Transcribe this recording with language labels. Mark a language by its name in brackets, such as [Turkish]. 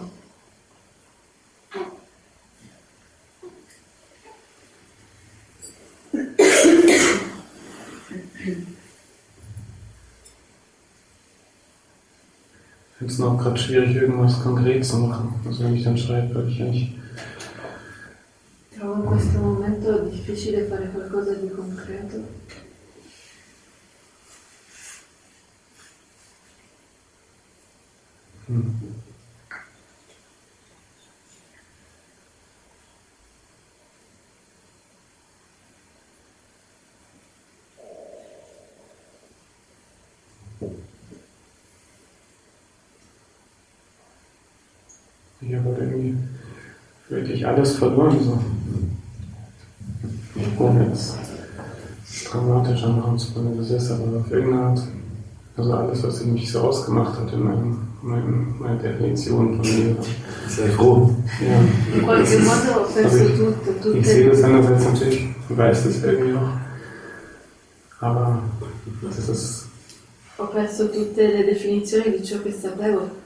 [German] Ich finde es auch gerade schwierig, irgendwas konkret zu machen. Also wenn ich dann schreibe, würde ich eigentlich. [Italian] Trovo in questo momento difficile fare qualcosa di concreto. [German] Ich habe irgendwie wirklich alles verloren. So. Ohne jetzt dramatisch anmachen zu können, das ist aber auf irgendeine Art. Also alles, was mich so ausgemacht hat in meiner Definition von mir. Sehr froh. Ja. Ich sehe das andererseits natürlich, weiß das irgendwie auch. Aber das ist es. [Italian] Ho perso tutte le definizioni di ciò che sapevo.